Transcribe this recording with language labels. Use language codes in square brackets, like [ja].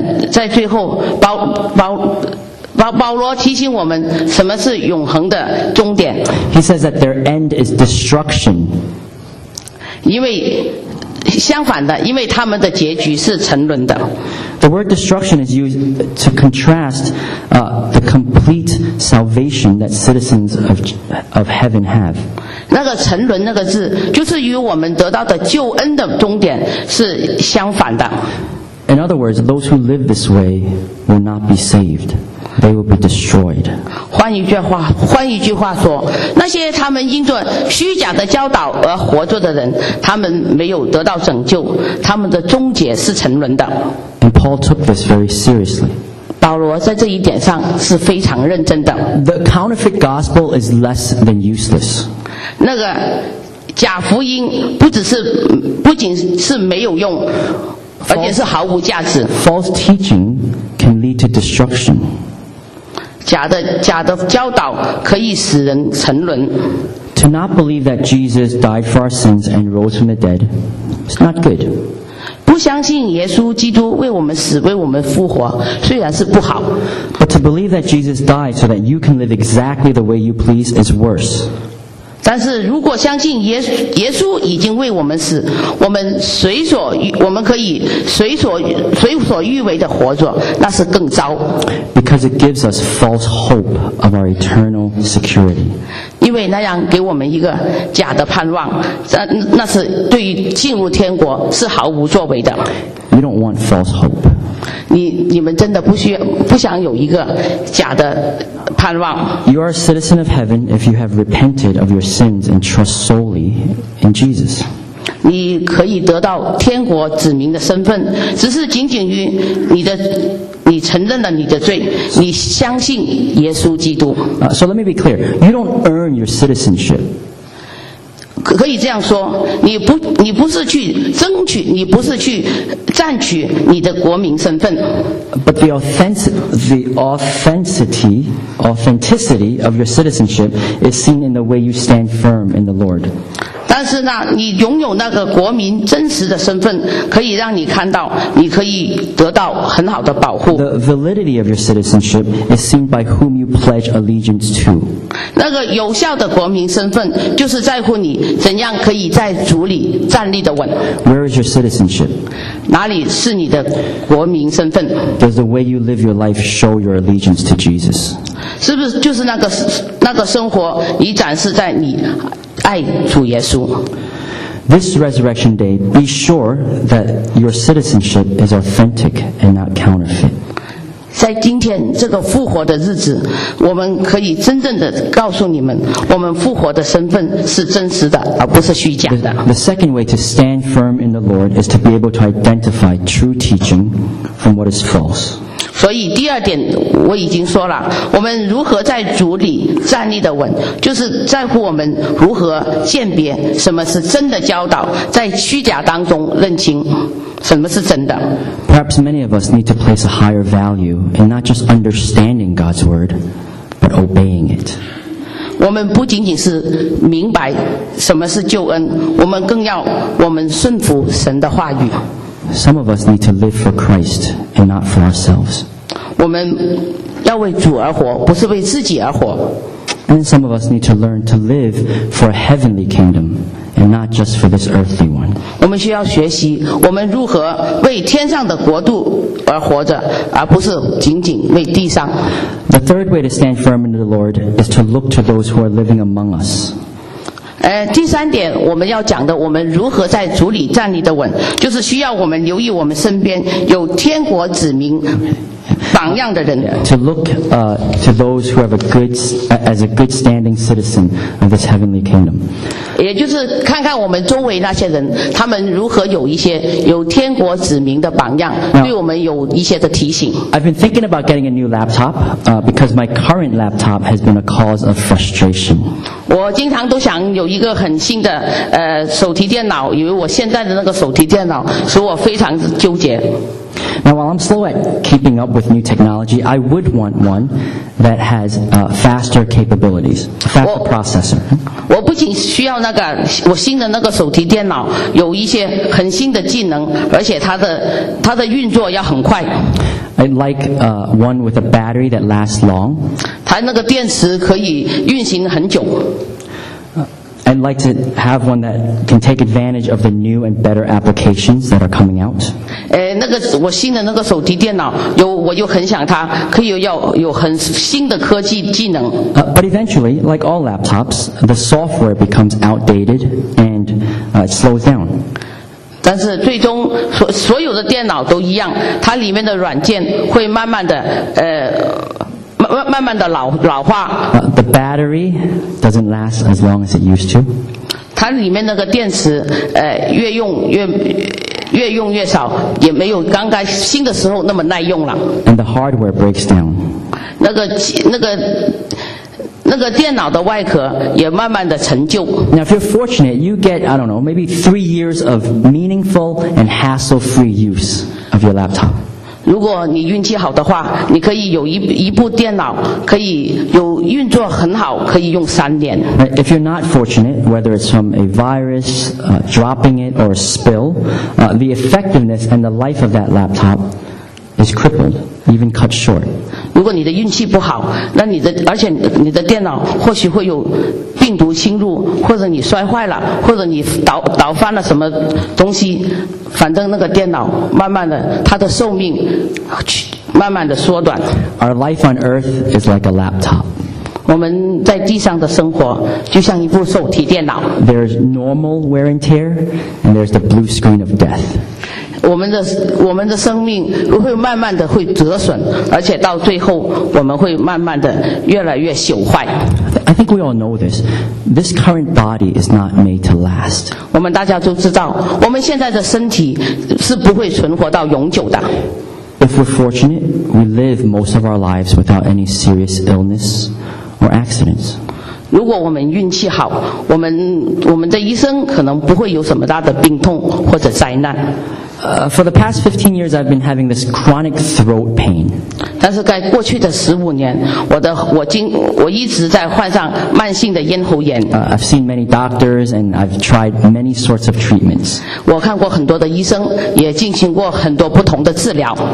[zh] 在最后保罗提醒我们什么是永恒的终点。 [en] He says that their end is destruction. [zh] 因为相反的，因为他们的结局是沉沦的。 [en] The word destruction is used to contrast the complete salvation that citizens of heaven have. [zh] 那个沉沦那个字就是与我们得到的救恩的终点是相反的。 [en] In other words, those who live this way will not be saved. They will be destroyed. [zh] 换一句话说，那些他们因着虚假的教导而活着的人，他们没有得到拯救，他们的终结是沉沦的。 [en] And Paul took this very seriously. [zh] 保罗在这一点上是非常认真的。 [en] The counterfeit gospel is less than useless. [zh] 那个假福音不仅是没有用。而且是毫无价值。 [en] False teaching can lead to destruction. [zh] 假的教导可以使人沉沦。 [en] To not believe that Jesus died for our sins and rose from the dead is not good. [zh] 不相信耶稣基督为我们死为我们复活虽然是不好 [en] But to believe that Jesus died so that you can live exactly the way you please is worse [zh] 但是如果相信耶稣已经为我们死我们可以随所欲为的活着那是更糟 [en] Because it gives us false hope of our eternal security [zh] 因为那样给我们一个假的盼望 那是对于进入天国是毫无作为的 [en] You don't want false hope [zh] 你们真的不想有一个假的盼望 [en] You are a citizen of heaven if you have repented of your sins and trust solely in Jesus. [zh] 你可以得到天国子民的身份，只是仅仅于你承认了你的罪，你相信耶稣基督。 [en] So let me be clear. You don't earn your citizenship. [zh] 可以这样说，你不是去占取你的国民身份。 [en] But the authenticity of your citizenship is seen in the way you stand firm in the Lord. [zh] 但是呢，你拥有那个国民真实的身份，可以让你看到，你可以得到很好的保护。 [en] The validity of your citizenship is seen by whom you pledge allegiance to. [zh] 那个有效的国民身份，就是在乎你怎样可以在主里站立的稳。 [en] Where is your citizenship? [zh] 哪里是你的国民身份 [en] Does the way you live your life show your allegiance to Jesus? [zh] 是不是就是那个生活你展示在你爱主耶稣 [en] This resurrection day, be sure that your citizenship is authentic and not counterfeit. [zh] 在今天这个复活的日子我们可以真正的告诉你们我们复活的身份是真实的而不是虚假的 [en] The second way to stand firm in the Lord is to be able to identify true teaching from what is false. [zh] 所以第二点我已经说了我们如何在主里站立的稳就是在乎我们如何鉴别什么是真的教导在虚假当中认清什么是真的 [en] Perhaps many of us need to place a higher value in not just understanding God's word, but obeying it. [zh] 我们不仅仅是明白什么是救恩，我们更要我们顺服神的话语。 [en] Some of us need to live for Christ and not for ourselves. [zh] 我们要为主而活，不是为自己而活。 [en] And some of us need to learn to live for a heavenly kingdom. And not just for this earthly one. [zh] 我们需要学习我们如何为天上的国度而活着而不是仅仅为地上。 [en] The third way to stand firm in the Lord is to look to those who are living among us. [zh] 第三点我们要讲的我们如何在主里站立的稳就是需要我们留意我们身边有天国子民榜样的人。 [en] To look to those who have a good standing citizen of this heavenly kingdom. [zh] 也就是看看我们周围那些人他们如何有一些有天国子民的榜样 [en] Now, [zh] 对我们有一些的提醒 [en] I've been thinking about getting a new laptop because my current laptop has been a cause of frustration [zh] 我经常都想有一个很新的手提电脑因为我现在的那个手提电脑使我非常纠结 [en] Now while I'm slow at keeping up with new technology I would want one that has faster capabilities a faster processor [zh] 我不仅需要那个我新的那个手提电脑有一些很新的技能而且它的运作要很快 [en] I'd like one with a battery that lasts long [zh] 它那个电池可以运行很久 [en] I'd like to have one that can take advantage of the new and better applications that are coming out [zh] 那个我新的那个手提电脑我就很想它可以有很新的科技技能 [en] But eventually, like all laptops, the software becomes outdated and it slows down. [zh] 但是最终所有的电脑都一样它里面的软件会慢慢的 老化 [en] The battery doesn't last as long as it used to. [zh] 它里面那个电池越用越少也没有刚刚新的时候那么耐用了 [en] And the hardware breaks down [zh] 那个电脑的外壳也慢慢的陈旧 [en] Now if you're fortunate you get I don't know maybe 3 years of meaningful and hassle free use of your laptop [zh] 如果你运气好的话，你可以有 一部电脑，可以有运作很好，可以用三年。 [en] If you're not fortunate, whether it's from a virus, dropping it or spill, the effectiveness and the life of that laptop is crippled, even cut short. [zh] 如果你的运气不好，那你的而且你的电脑或许会有病毒侵入，或者你摔坏了，或者你倒翻了什么东西，反正那个电脑慢慢的它的寿命慢慢的缩短。 [en] Our life on earth is like a laptop. [zh] 我们在地上的生活就像一部手提电脑。 [en] There's normal wear and tear, and there's the blue screen of death. [zh] 我们的生命会慢慢的会折损，而且到最后我们会慢慢的越来越朽坏。 [en] I think we all know this. This current body is not made to last. [zh] 我们大家都知道，我们现在的身体是不会存活到永久的。 [en] If we're fortunate, we live most of our lives without any serious illness or accidents. [zh] 如果我们运气好，我们的一生可能不会有什么大的病痛或者灾难。 [en] For the past 15 years, I've been having this chronic throat pain. [zh] 但是在过去的15年，我一直在患上慢性的咽喉炎。 [en] I've seen many doctors and I've tried many sorts of treatments. [zh] 我看过很多的医生，也进行过很多不同的治疗。